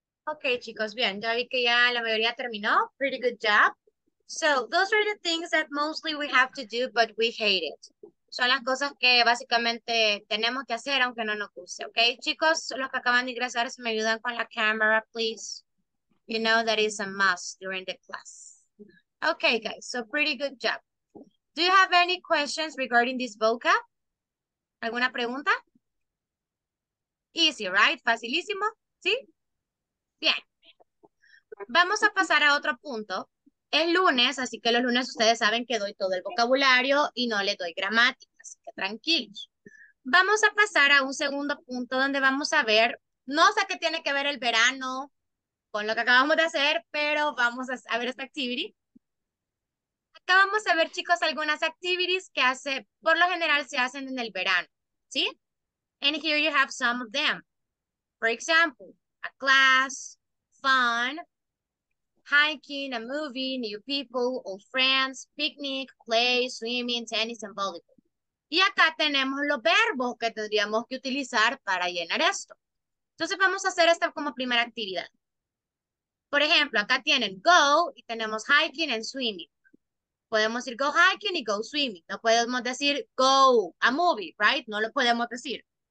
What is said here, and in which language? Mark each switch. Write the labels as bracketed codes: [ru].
[es] Ok, chicos, bien, ya vi que ya la mayoría terminó. [en] Pretty good job. So, those are the things that mostly we have to do, but we hate it. [es] Son las cosas que básicamente tenemos que hacer, aunque no nos guste. Ok, chicos, los que acaban de ingresar, si me ayudan con la cámara, please. [en] You know that is a must during the class. Ok, guys, so pretty good job. Do you have any questions regarding this vocab? [es] ¿Alguna pregunta? [en] Easy, right? [es] Facilísimo, ¿sí? Bien. Vamos a pasar a otro punto. Es lunes, así que los lunes ustedes saben que doy todo el vocabulario y no le doy gramática, así que tranquilos. Vamos a pasar a un segundo punto donde vamos a ver, no sé qué tiene que ver el verano con lo que acabamos de hacer, pero vamos a ver esta activity. Acá vamos a ver, chicos, algunas activities que hace, por lo general se hacen en el verano, ¿sí? [en] And here you have some of them. For example, a class, fun, hiking, a movie, new people, old friends, picnic, play, swimming, tennis, and volleyball. [es] Y acá tenemos los verbos que tendríamos que utilizar para llenar esto. Entonces vamos a hacer esta como primera actividad. Por ejemplo, acá tienen go y tenemos hiking and swimming. Podemos decir go hiking y go swimming. No podemos decir go a movie, right? No lo podemos decir.